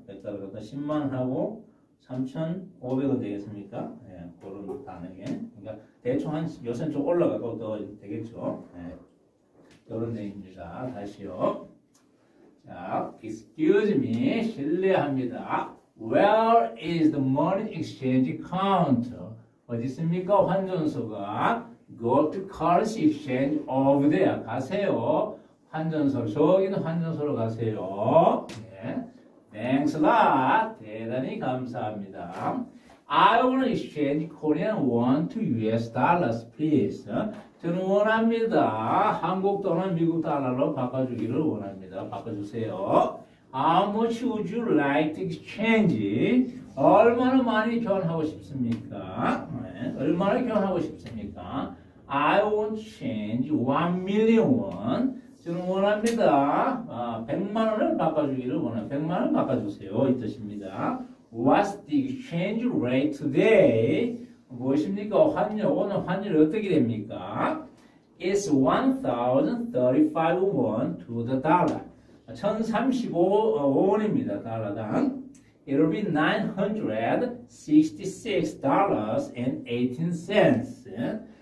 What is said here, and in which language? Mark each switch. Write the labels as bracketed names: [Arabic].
[Korean] 100달러 같으면 10만하고 3,500원 되겠습니까? 예, 그런 단위에. 그러니까 대충 한 요새는 좀 올라가고 더 되겠죠. 예, 그런 내용입니다. 다시요. [English] 자, excuse me, [Korean] 실례합니다. [English] Where is the money exchange counter? [Korean] 어디 있습니까? 환전소가. [English] Go to cars exchange over there. [Korean] 가세요. 환전소. 저기 있는 환전소로 가세요. 네. [English] Thanks a lot. [Korean] 대단히 감사합니다. [English] I want to exchange Korean won to US dollars, please. [Korean] 저는 원합니다. 한국 돈은 미국 달러로 바꿔주기를 원합니다. 바꿔주세요. [English] How much would you like to exchange? [Korean] 얼마나 많이 교환하고 싶습니까? 네. 얼마나 교환하고 싶습니까? [English] I want to change 1,000,000 won. [Korean] 저는 원합니다. 아, 100만 원을 바꿔주기를 원합니다. 100만 원 바꿔주세요. 이 뜻입니다. [English] What's the exchange rate today? [Korean] 무엇입니까? 환율. 오늘 환율이 어떻게 됩니까? [English] It's 1,035 won to the dollar. [Korean] 1,035원입니다. 달러당. [English] It'll be $966.18.